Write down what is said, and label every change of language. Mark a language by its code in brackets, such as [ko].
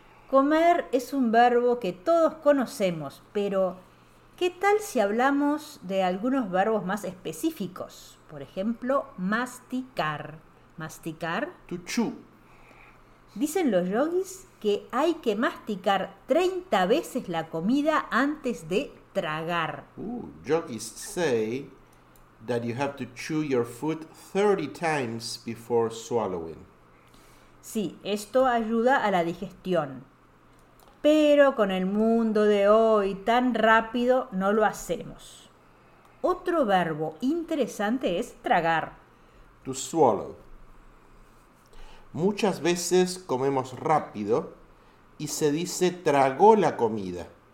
[es] Comer es un verbo que todos conocemos, pero ¿qué tal si hablamos de algunos verbos más específicos? Por ejemplo, masticar. ¿Masticar? Tuchú. Dicen los yoguis que hay que masticar 30 veces la comida antes de tragar. [en] Yogis say that you have to chew your food 30 times before swallowing. [es] Sí, esto ayuda a la digestión. Pero con el mundo de hoy tan rápido no lo hacemos. Otro verbo interesante es tragar. [en] To swallow. [es] Muchas veces comemos rápido y se dice tragó la comida.